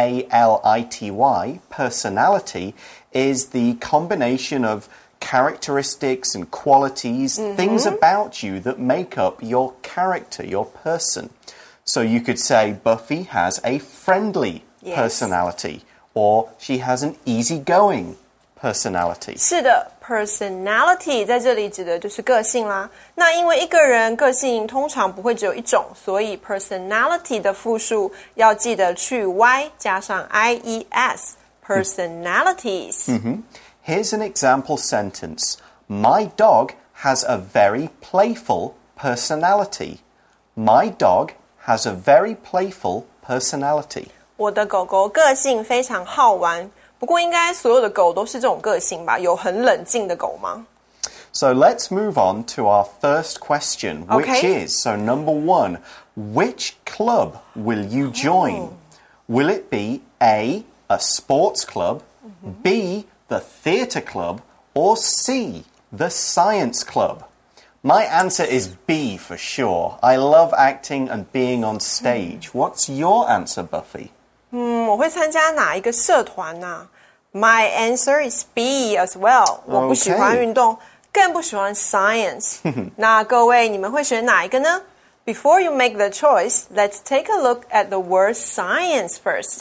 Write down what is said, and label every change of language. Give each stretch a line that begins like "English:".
English: P-E-R-S-O-N-A-L-I-T-Y, personality, is the combination of characteristics and qualities, things about you that make up your character, your person. So you could say Buffy has a friendly personality, or she has an easygoing personality.
Chinese: 是的 ,personality 在这里指的就是个性啦。那因为一个人个性通常不会只有一种，所以 personality 的复数要记得去 Y 加上 IES, personalities.
English: Here's an example sentence. My dog has a very playful personality. My dog has a very playful personality.
Chinese: 我的狗狗个性非常好玩。不过应该所有的狗都是这种个性吧？有很冷静的狗吗？
English: So let's move on to our first question, which、 okay. is, so number one, which club will you join?、Oh. Will it be A, a sports club,、mm-hmm. B, the theatre club, or C, the science club? My answer is B for sure. I love acting and being on stage.、Mm. What's your answer, Buffy?、
Chinese: Mm, 我会参加哪一个社团呢、啊、
English: My answer is B as well.、 Okay.
Chinese: 我不喜欢运动。更不喜欢 science. 那各位，你们会选哪一个呢？
English: Before you make the choice, let's take a look at the word science first.、